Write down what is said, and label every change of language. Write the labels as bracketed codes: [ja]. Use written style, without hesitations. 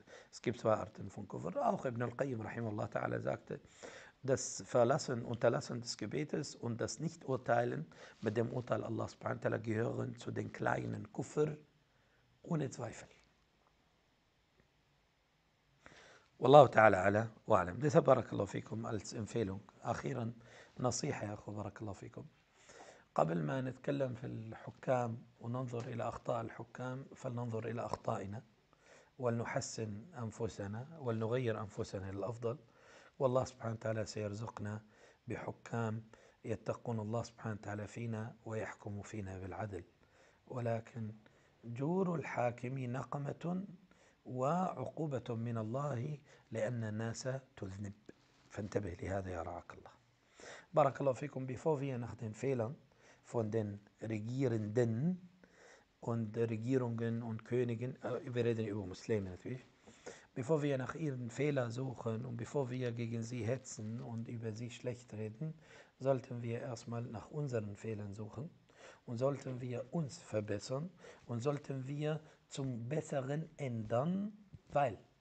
[de] Es gibt zwei Arten von Kufr. Auch Ibn al-Qayyim, rahimahullah ta'ala, sagte, das Verlassen, Unterlassen des Gebetes und das Nichturteilen mit dem Urteil Allah subhanahu wa ta'ala gehören zu den kleinen Kufr, ohne Zweifel. [ar] والله تعالى على وعلم. ده بارك الله فيكم الامفيلون. أخيرا نصيحة يا أخو، بارك الله فيكم، قبل ما نتكلم في الحكام وننظر إلى أخطاء الحكام فلننظر إلى أخطائنا ولنحسن أنفسنا ولنغير أنفسنا للأفضل، والله سبحانه وتعالى سيرزقنا بحكام يتقون الله سبحانه وتعالى فينا ويحكم فينا بالعدل. ولكن جور الحاكم نقمة وعقوبة من الله لأن الناس تذنب، فانتبه لهذا يا رعاك الله. بارك الله فيكم. [de] Bevor wir nach den Fehlern von den Regierenden und Regierungen und Königen, wir reden über Muslime natürlich, bevor wir nach ihren Fehlern suchen und bevor wir gegen sie hetzen und über sie schlecht reden, sollten wir erstmal nach unseren Fehlern suchen und sollten wir uns verbessern und sollten wir zum Besseren ändern, weil